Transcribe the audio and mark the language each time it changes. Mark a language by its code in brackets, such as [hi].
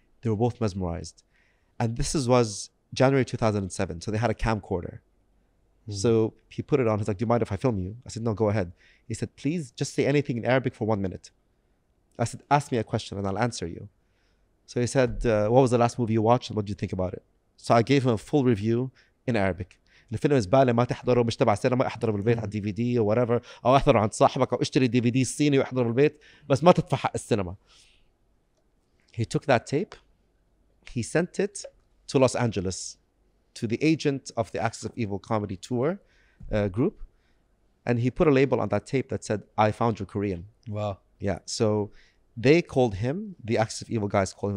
[en] They were both mesmerized. And this was January 2007. So they had a camcorder. So he put it on. He's like, do you mind if I film you? I said, no, go ahead. He said, please just say anything in Arabic for 1 minute. I said, ask me a question and I'll answer you. So he said, what was the last movie you watched and what did you think about it? So I gave him a full review in Arabic. The film is [ar] بالي ما تحضره مش تبع سينما احضره بالبيت على DVD [en] or whatever. [ar] أو احضره عند صاحبك أو اشتري DVD الصيني واحضره بالبيت بس ما تدفع حق السينما. [en] He took that tape. He sent it to Los Angeles to the agent of the Axis of Evil comedy tour group. And he put a label on that tape that said, I found your Korean. Wow. Yeah. So they called him, the Axis of Evil guys called him.